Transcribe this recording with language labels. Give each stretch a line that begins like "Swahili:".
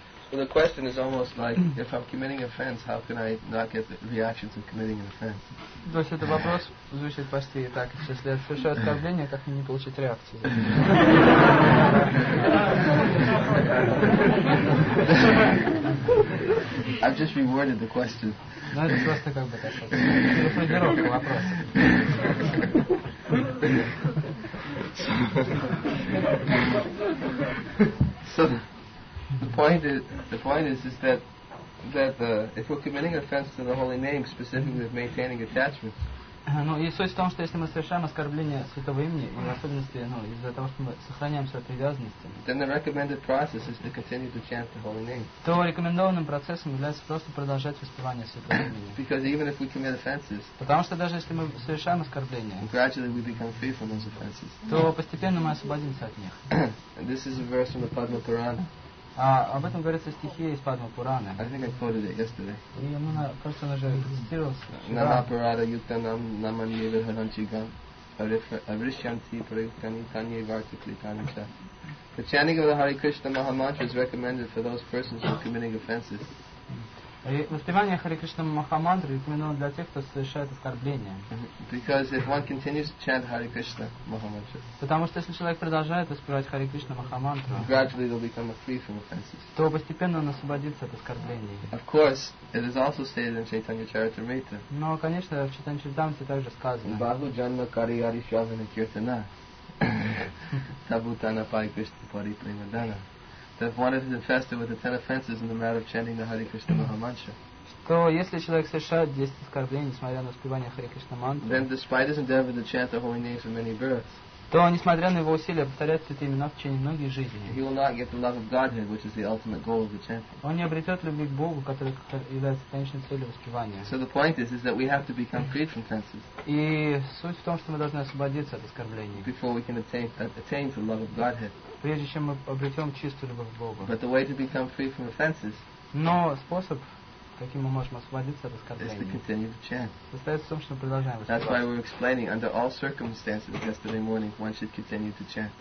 English: Well, the question is almost like, if I'm committing offense, how can I not get the reaction to committing an offense?
Russian: То есть это вопрос звучит почти так: если я совершаю оскорбление, как мне не получить реакцию?
English: I've just rewarded the question.
Russian: Ну это просто как бы так. Формулировка вопроса.
English: So the point is that if we're committing offense to the holy name, specifically with maintaining attachment.
Russian: Ну и суть в том, что если мы совершаем оскорбление святого имени, и в особенности, ну, из-за того, что мы сохраняем свою привязанность,
English: then the recommended process is to continue to chant the holy name.
Russian: То рекомендованным процессом является просто продолжать воспевание святого имени.
English: Because even if we commit offenses,
Russian: потому что даже если мы совершаем оскорбление,
English: gradually we become free from those offenses.
Russian: То постепенно мы освободимся от них.
English: This is a verse from the Padma Purana.
Russian: А об этом говорится стихи из Падма Пурана.
English: I think I quoted it yesterday.
Russian: И мы просто уже цитировался.
Sanskrit: Нама Пурада Ютанам Намани Вихаранчигам Аришьянти Прайуктани Танья Вартикли Танича.
English: The chanting of the Hare Krishna Maha Mantra is recommended for those persons who are committing offenses.
Russian: Воспевание Hare Krishna Maha Mantra рекомендовано для тех, кто совершает оскорбление.
English: Because if one continues to chant Hare Krishna Maha Mantra,
Russian: потому что если человек продолжает воспевать Hare Krishna Maha Mantra,
English: gradually they'll become free from offenses.
Russian: То постепенно он освободится от оскорблений.
English: Of course, it is also stated in Chaitanya Charitamrita.
Russian: Но, конечно, в Chaitanya Charitamrita также сказано.
Sanskrit: Бхагу Джанма Кари Ари Шавана Киртана Табутана Пай Кришна Пари Примадана.
English: That one is infested with the 10 offenses in the matter of chanting the Hare Krishna Maha Mantra.
Russian: Что если человек совершает 10 оскорблений, несмотря на воспевание Hare Krishna Mantra,
English: then despite his endeavor to chant the holy names for many births,
Russian: то несмотря на его усилия повторять святые имена в течение многих жизней,
English: he will not get the love of Godhead, which is the ultimate goal of the chanting.
Russian: Он не обретет любви к Богу, которая является конечной целью воспевания.
English: So the point is that we have to become freed from offenses.
Russian: И суть в том, что мы должны освободиться от оскорблений.
English: Before we can attain the love of Godhead.
Russian: Прежде чем мы обретем чистую любовь к Богу.
English: But the way to become free from offenses.
Russian: Но способ, каким мы можем освободиться от оскорблений,
English: is to continue to chant.
Russian: Состоит в том, что мы продолжаем.
English: That's why we're explaining under all circumstances yesterday morning one should continue to chant.